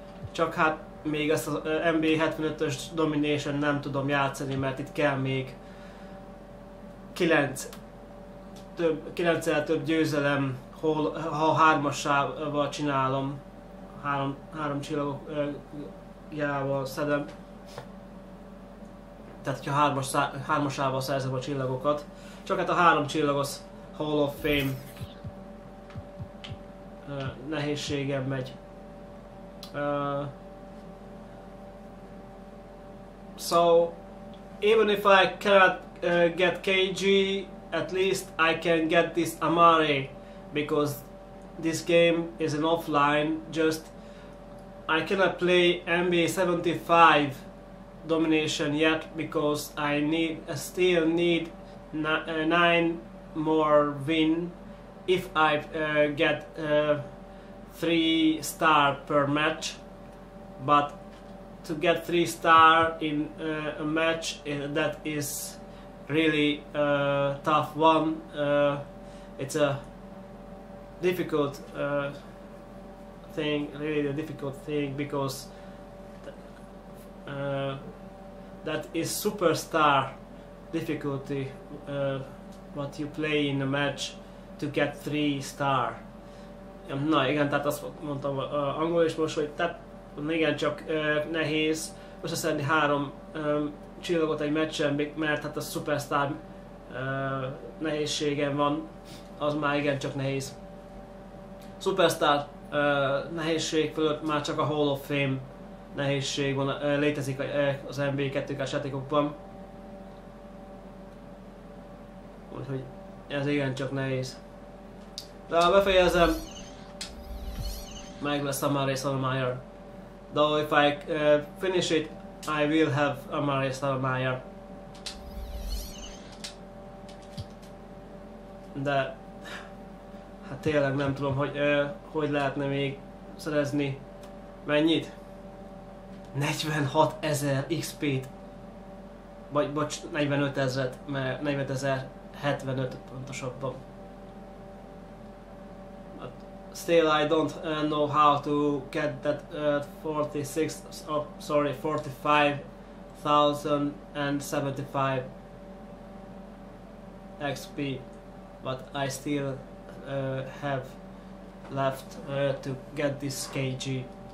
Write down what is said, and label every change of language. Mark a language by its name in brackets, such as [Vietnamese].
[Hungarian] Csak hát még ezt az NBA 75-ös Domination nem tudom játszani, mert itt kell még 9-el több győzelem, ha hármasával csinálom, három csillagjával szedem. Tehát, hogyha hármasával szerzem a csillagokat. Csak hát a három csillagos Hall of Fame nehézségem megy. [English] So, even if I cannot get KG, at least I can get this Amari, because this game is an offline. Just I cannot play NBA 75 Domination yet, because I still need 9 more win if I get 3 star per match. But to get 3 star in a match that is really tough one. It's a difficult thing, really a difficult thing, because that is superstar difficulty, what you play in a match to get 3 star. [Hungarian] Na igen, tehát azt mondtam angolul is most, hogy tehát igen, csak nehéz összeszedni 3 csillagot egy meccsen, mert hát a superstar nehézségem van, az már igen csak nehéz. Superstar nehézség fölött már csak a Hall of Fame nehézség van, létezik az NBA 2K-s játékokban. Úgyhogy ez igen csak nehéz. De ha befejezem, meg lesz Amari Stoudemire. [English] Though if I finish it, I will have Amari Stoudemire. [Hungarian] De... tényleg nem tudom, hogy hogy lehetne még szerezni mennyit? 46 ezer XP-t. Vagy bocs, 45 ezeret, mert 45 ezer 75 pontosabban. [English] But still I don't know how to get that 45,075 XP, but I still have left to get this KG.